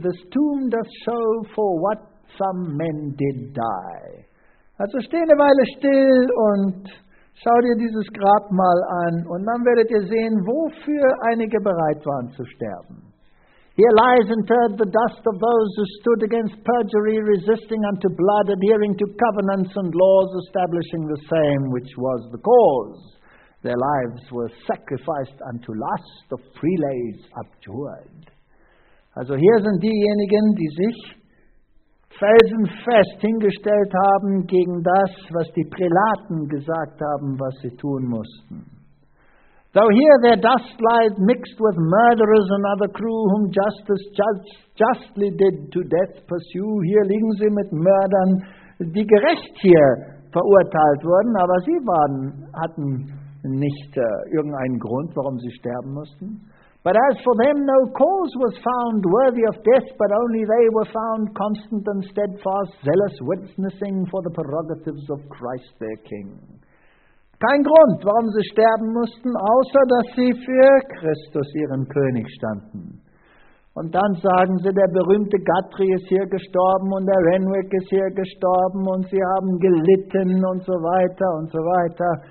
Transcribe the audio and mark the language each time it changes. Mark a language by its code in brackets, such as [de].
[en] This tomb does show for what some men did die. [de] Also steh eine Weile still und schau dir dieses Grab mal an. Und dann werdet ihr sehen, wofür einige bereit waren zu sterben. [en] Here lies interred the dust of those who stood against perjury, resisting unto blood, adhering to covenants and laws, establishing the same which was the cause. Their lives were sacrificed unto lust of prelates abjured. [de] Also hier sind diejenigen, die sich felsenfest hingestellt haben gegen das, was die Prälaten gesagt haben, was sie tun mussten. [en] Though here their dust lied mixed with murderers and other crew whom justice justly did to death pursue. [de] Hier liegen sie mit Mördern, die gerecht hier verurteilt wurden, aber sie hatten nicht irgendeinen Grund, warum sie sterben mussten. [en] But as for them, no cause was found worthy of death, but only they were found constant and steadfast, zealous witnessing for the prerogatives of Christ their King. [de] Kein Grund, warum sie sterben mussten, außer dass sie für Christus ihren König standen. Und dann sagen sie, der berühmte Guthrie ist hier gestorben und der Renwick ist hier gestorben und sie haben gelitten und so weiter und so weiter.